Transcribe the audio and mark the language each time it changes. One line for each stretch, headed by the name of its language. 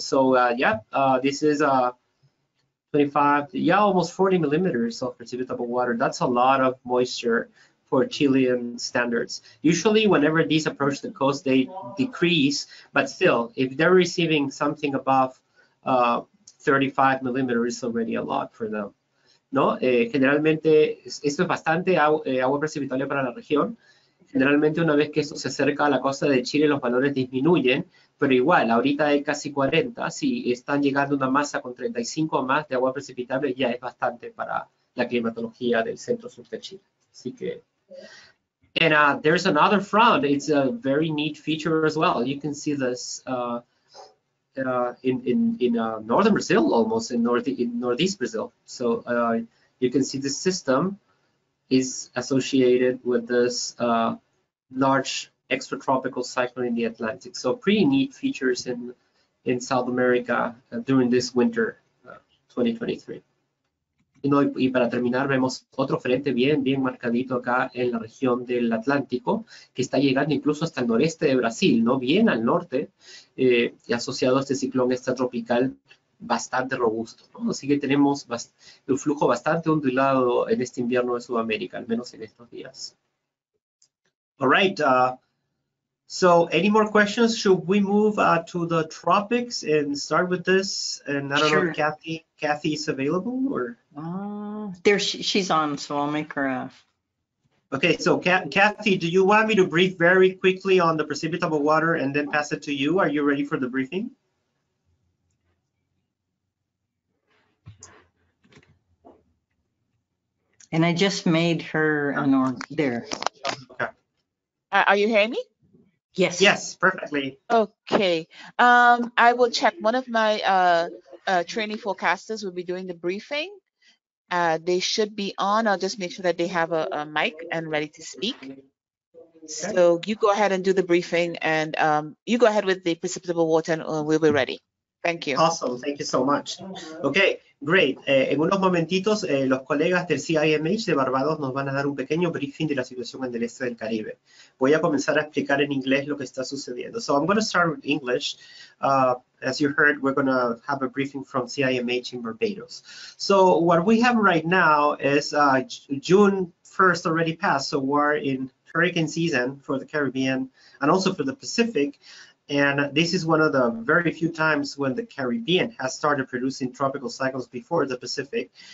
English: So yeah, this is 25, yeah, almost 40 millimeters of precipitable water. That's a lot of moisture for Chilean standards. Usually whenever these approach the coast, they decrease, but still, if they're receiving something above 35 millimeters, already a lot for them.
Spanish: No, generalmente, esto es bastante agua precipitable para la región. Generalmente, una vez que esto se acerca a la costa de Chile, los valores disminuyen, pero igual, ahorita hay casi 40. Si están llegando una masa con 35 o más de agua precipitable, ya es bastante para la climatología del centro sur de Chile. Así que.
English: And there's another front. It's a very neat feature as well. You can see this in northern Brazil, almost in northeast Brazil. So you can see the system is associated with this large extratropical cyclone in the Atlantic. So pretty neat features in South America during this winter 2023.
Spanish: Y para terminar, vemos otro frente bien marcadito acá en la región del Atlántico, que está llegando incluso hasta el noreste de Brasil, ¿no? Bien al norte, y asociado a este ciclón extratropical bastante robusto, ¿no? Así que tenemos un flujo bastante ondulado en este invierno de Sudamérica, al menos en estos días.
English: All right, so any more questions? Should we move to the tropics and start with this? And I don't know if Kathy is available or? She's on, so I'll make her Okay, so Kathy, do you want me to brief very quickly on the precipitable water and then pass it to you? Are you ready for the briefing? And I just made her an org there. Okay. Are you hearing me? Yes. Yes, perfectly. Okay. I will check. One of my training forecasters will be doing the briefing. They should be on. I'll just make sure that they have a mic and ready to speak. Okay. So you go ahead and do the briefing, and you go ahead with the precipitable water, and we'll be ready. Thank you. Awesome. Thank you so much. Okay. Great.
Spanish: En unos momentitos, los colegas del CIMH de Barbados nos van a dar un pequeño briefing de la situación en el este del Caribe. Voy a comenzar a explicar en inglés lo que está sucediendo.
English: So I'm going to start with English. As you heard, we're going to have a briefing from CIMH in Barbados. So what we have right now is June 1st already passed, so we're in hurricane season for the Caribbean and also for the Pacific. And this is one of the very few times when the Caribbean has started producing tropical cyclones before the Pacific.